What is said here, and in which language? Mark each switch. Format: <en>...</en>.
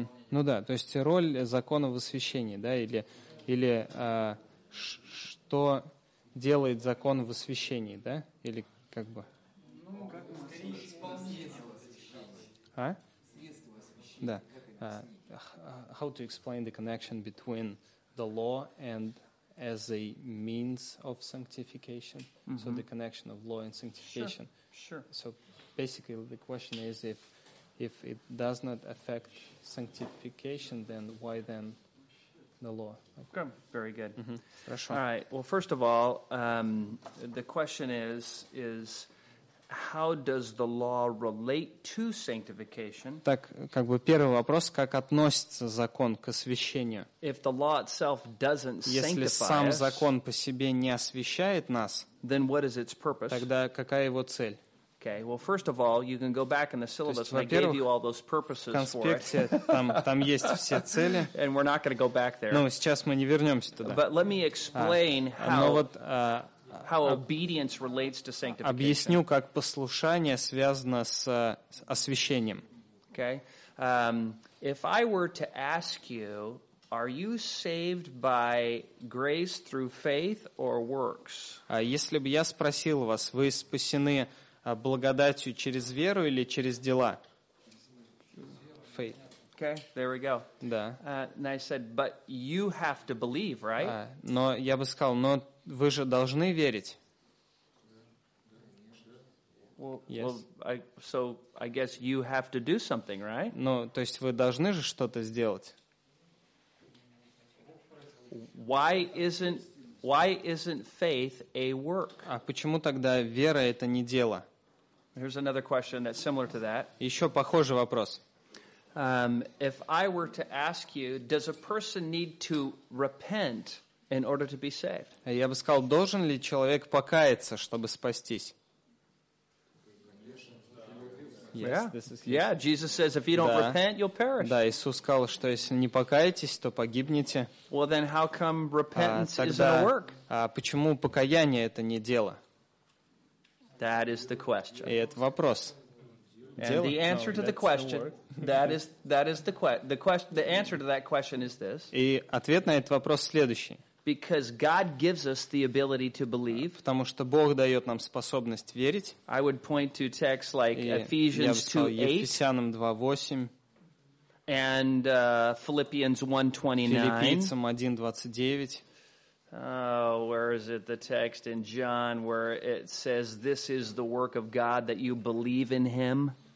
<ru>Ну да, то есть роль закона в освящении, да, или, или что делает закон в освящении, да, или как бы... Ну, как бы, скорее, исполнение освящения. А? Средство освящения. Да.</ru> <en>How to explain the connection between the law and as a means of sanctification? Mm-hmm. So the connection of law and sanctification. Sure. So basically the question is if it does not affect sanctification, then why then the law? Okay, very good. Mm-hmm. All right, well, first of all, the question is how does the law relate to sanctification?</en> <ru>Так, как бы первый вопрос, как относится закон к освящению?</ru> <en>If the law itself doesn't sanctify us,</en> <ru>если сам закон по себе не освящает нас,</ru> <en>then what is its purpose?</en> <ru>Тогда какая его цель?</ru> <en>Okay. Well, first of all, you can go back in the syllabus. I gave you all those purposes for it.</en> <ru>В конспекте там есть все цели.</ru> <en>And we're not going to go back there.</en> <ru>Но сейчас мы не вернемся туда.</ru> <en>But let me explain how obedience relates to sanctification.</en> <ru>Объясню, как послушание связано с освящением.</ru> <en>Okay. If I were to ask you, are you saved by grace through faith or works?</en> <ru>Если бы я спросил вас, вы спасены благодатью через веру или через дела?</ru> <en>Faith. Okay, there we go.</en> <ru>Да.</ru> <en>And I said, but you have to believe, right?</en> <ru>Но я бы сказал, но вы же должны верить.</ru> <en>Well, yes. So I guess you have to do something, right?</en> <ru>Ну, то есть вы должны же что-то сделать.</ru> <en>Why isn't faith a work?</en> <ru>А почему тогда вера это не дело?</ru> <en>Here's another question that's similar to that.</en> <ru>Еще похожий вопрос.</ru> <en>If I were to ask you, does a person need to repent in order to be saved?</en> <ru>Я бы сказал, должен ли человек покаяться, чтобы спастись?</ru> <en>Yeah. Yeah. Jesus says, if you don't repent, you'll perish.</en> <ru>Да, Иисус сказал, что если не покаетесь, то погибнете.</ru> <en>Well, then how come repentance isn't a work?</en> <ru>А почему покаяние это не дело?</ru> <en>That is the question.</en> <ru>И это вопрос.</ru> <en>And the answer to the question, the answer to that question is this.</en> <ru>И ответ на этот вопрос следующий.</ru> <en>Because God gives us the ability to believe.</en> <ru>Потому что Бог дает нам способность верить.</ru> <en>I would point to texts like Ephesians 2:8.</en> <ru>Ефесянам 2:8.</ru> <en>And Philippians 1:29.</en> <ru>Филиппийцам 1:29.</ru> <en>Where is it, the text in John where it says this is the work of God that you believe in him?</en>